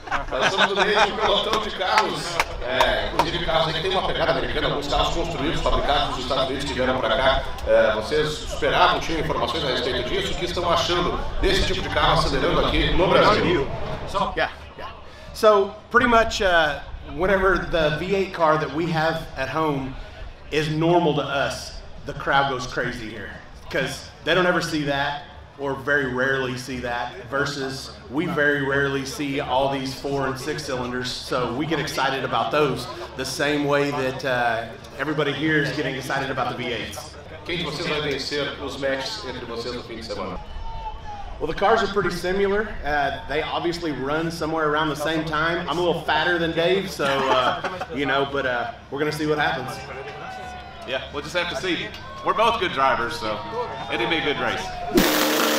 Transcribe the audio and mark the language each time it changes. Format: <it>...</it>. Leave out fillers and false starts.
<pt>Nós somos do mesmo pelotão de carros. É, inclusive, carros aí que tem uma pegada americana, alguns carros construídos, fabricados nos Estados Unidos que vieram para cá. É, vocês esperavam, tinham informações a respeito disso? O que estão achando desse tipo de carro acelerando aqui no Brasil?</pt> <en>So, pretty much, whenever the V8 car that we have at home is normal to us, the crowd goes crazy here. Because they don't ever see that. Or very rarely see that, versus we very rarely see all these 4 and 6 cylinders, so we get excited about those the same way that everybody here is getting excited about the V8s.</en> <pt>Quem de vocês vai vencer os matches entre vocês no fim de semana?</pt> <en>Well, the cars are pretty similar. They obviously run somewhere around the same time. I'm a little fatter than Dave, so, we're gonna see what happens. Yeah, we'll just have to see. We're both good drivers, so it'd be a good race.</en>